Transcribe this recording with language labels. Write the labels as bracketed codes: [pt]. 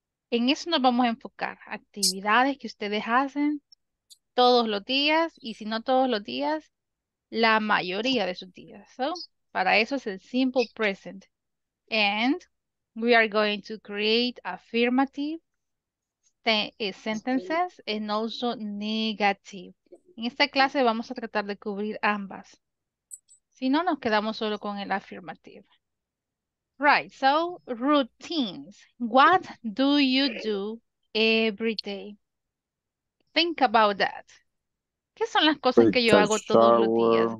[es] En eso nos vamos a enfocar, actividades que ustedes hacen todos los días y si no todos los días, la mayoría de sus días. So, para eso es el simple present. [en] And we are going to create affirmative sentences and also negative. [es] En esta clase vamos a tratar de cubrir ambas. Si no, nos quedamos solo con el affirmative. [en] Right, so routines. What do you do every day? Think about that. [es] ¿Qué son las cosas que yo hago todos los días?